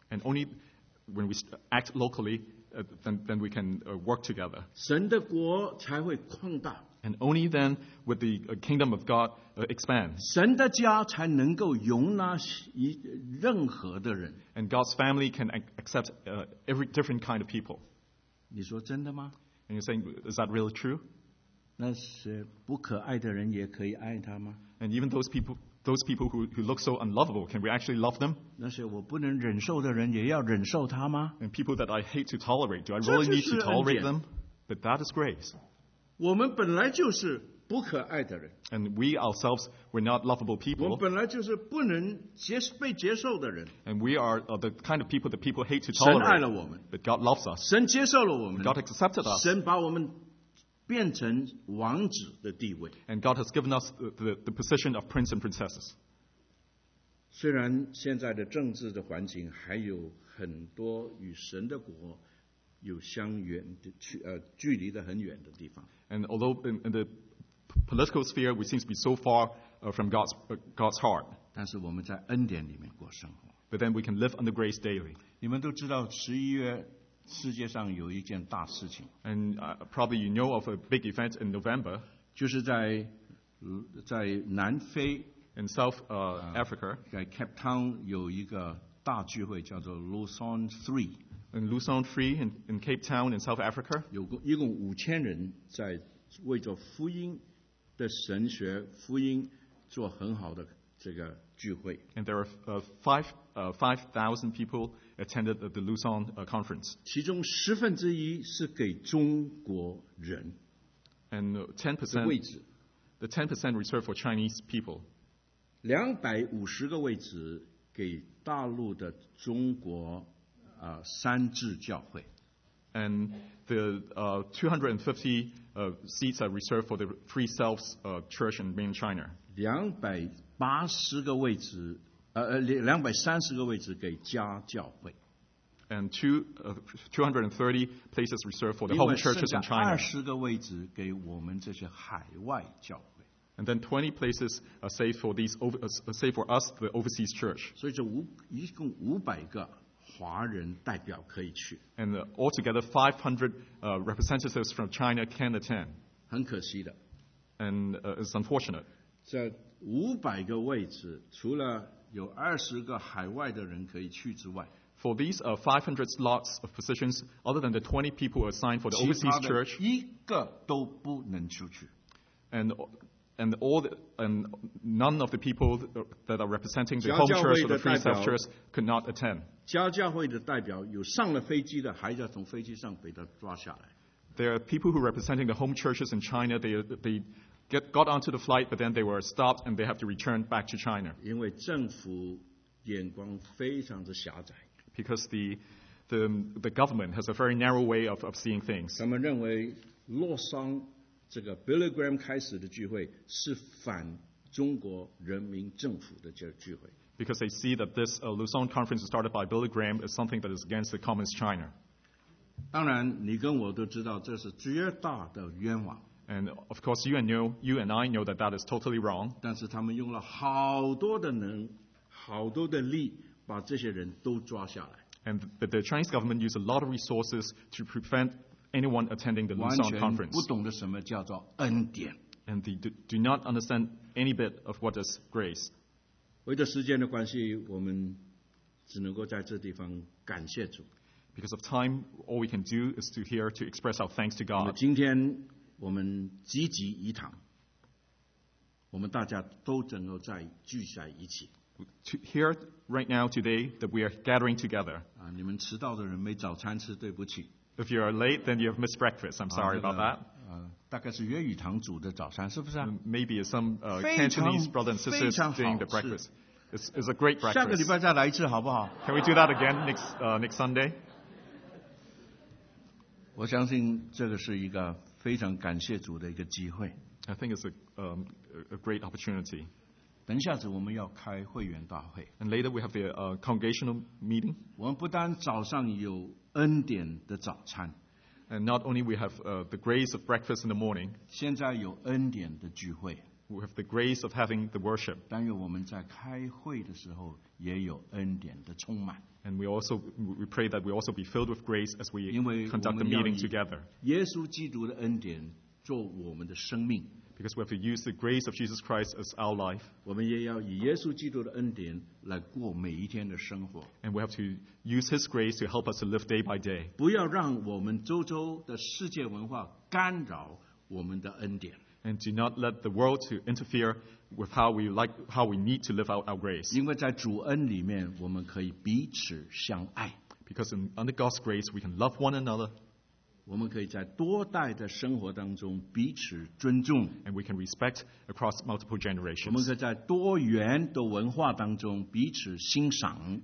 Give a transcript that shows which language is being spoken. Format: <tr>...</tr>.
<en>And only when we act locally, then we can work together.</en> <zh>神的国才会扩大。</zh> <en>And only then would the kingdom of God expand.</en> <zh>神的家才能够容纳任何的人。</zh> <en>And God's family can accept every different kind of people.</en> <zh>你说真的吗？</zh> <en>And you're saying, is that really true?</en> <zh>那些不可爱的人也可以爱他吗？</zh> <en>And even those people who look so unlovable, can we actually love them?</en> <zh>那些我不能忍受的人也要忍受他吗？</zh> <en>And people that I hate to tolerate, do I really need to tolerate them? But that is grace.</en> <zh>我们本来就是不可爱的人。</zh> <en>And we ourselves, we're not lovable people.</en> <zh>我们本来就是不能被接受的人。</zh> <en>And we are the kind of people that people hate to tolerate.</en> <zh>神爱了我们。</zh> <en>But God loves us.</en> <zh>神接受了我们。</zh> <en>God accepted us.</en> <zh>神把我们变成王子的地位。</zh> <en>And God has given us the position of prince and princesses.</en> <zh>虽然现在的政治的环境还有很多与神的国有相远的距离的很远的地方。</zh> <en>And although in the political sphere, we seem to be so far from God's heart.</en> <zh>但是我们在恩典里面过生活。</zh> <en>But then we can live under grace daily.</en> <zh>你们都知道11月世界上有一件大事情。</zh> <en>And probably you know of a big event in November.</en> <zh>就是在南非。</zh> <en>In South Africa.</en> <zh>在 Cape Town 有一个大聚会叫做 Luzon 3。</zh> <en>In Luzon 3 in Cape Town in South Africa.</en> <zh>有一共5000人在为着福音的神学福音做很好的这个聚会。</zh> <en>And there are 5,000 people attended the Luzon conference.</en> <zh>其中十分之一是给中国人。</zh> <en>And 10%</en> <zh>位置。</zh> <en>The 10% reserved for Chinese people.</en> <zh>250个位置给大陆的中国三字教会。</zh> <en>And the 250seats are reserved for the Three Selves Church in mainland China.</en> <zh>230个位置给加教会。</zh> <en>And 230 places reserved for the home churches in China.</en> <zh>20个位置给我们这些海外教会。</zh> <en>And then 20 places are saved for us, the overseas church.</en> <zh>所以这一共500个华人代表可以去。</zh> <en>And altogether 500 representatives from China can attend.</en> <zh>很可惜的。</zh> <en>And it's unfortunate.</en> <zh>这500个位置除了有20个海外的人可以去之外。</zh> <en>For these 500 slots of positions, other than the 20 people assigned for the overseas church.</en> <zh>其他的一个都不能出去。</zh> <en>And none of the people that are representing the home church or the Three Selves church could not attend.</en> <zh>家教会的代表有上了飞机的，还要从飞机上被他抓下来。</zh> <en>There are people who are representing the home churches in China. They got onto the flight, but then they were stopped and they have to return back to China.</en> <zh>因为政府眼光非常的狭窄。</zh> <en>Because the government has a very narrow way of seeing things.</en> <zh>他们认为洛桑这个 Billy Graham 开始的聚会是反中国人民政府的这个聚会。</zh> <en>Because they see that this Luzon conference started by Billy Graham is something that is against the communist China.</en> <zh>当然，你跟我都知道这是绝大的冤枉。</zh> <en>And of course, you and I know that is totally wrong.</en> <zh>但是他们用了好多的能，好多的力，把这些人都抓下来。</zh> <en>And the Chinese government used a lot of resources to prevent anyone attending the Luzon conference.</en> <zh>完全不懂得什么叫做恩典。</zh> <en>And they do not understand any bit of what is grace.</en> <zh>为了时间的关系，我们只能够在这地方感谢主。</zh> <en>Because of time, all we can do is to here to express our thanks to God.</en> <zh>今天我们集集一堂，我们大家都能够在聚在一起。</zh> <en>Here right now today that we are gathering together.</en> <zh>你们迟到的人没早餐吃，对不起。</zh> <en>If you are late, then you have missed breakfast. I'm sorry about that.</en> <zh>大概是约语堂煮的早餐，是不是啊？</zh> <en>Maybe some Cantonese brothers and sisters doing the breakfast. It's a great breakfast.</en> <zh>下个礼拜再来一次，好不好？</zh> <en>Can we do that again next Sunday?</en> <zh>我相信这个是一个非常感谢主的一个机会。</zh> <en>I think it's a great opportunity.</en> <zh>等一下子我们要开会员大会。</zh> <en>And later we have the congregational meeting.</en> <zh>我们不单早上有恩典的早餐。</zh> <en>And not only we have the grace of breakfast in the morning,</en> <zh>现在有恩典的聚会,</zh> <en>we have the grace of having the worship.</en> <zh>但愿我们在开会的时候也有恩典的充满。</zh> <en>And we pray that we also be filled with grace as we conduct the meeting together.</en> <zh>因为我们要以耶稣基督的恩典做我们的生命。</zh> <en>Because we have to use the grace of Jesus Christ as our life.</en> <zh>我们也要以耶稣基督的恩典来过每一天的生活。</zh> <en>And we have to use His grace to help us to live day by day.</en> <zh>不要让我们周遭的世界文化干扰我们的恩典。</zh> <en>And do not let the world to interfere with how we need to live out our grace.</en> <zh>因为在主恩里面我们可以彼此相爱。</zh> <en>Because under God's grace we can love one another.</en> <zh>我们可以在多代的生活当中彼此尊重。</zh> <en>And we can respect across multiple generations.</en> <zh>我们可以在多元的文化当中彼此欣赏。</zh>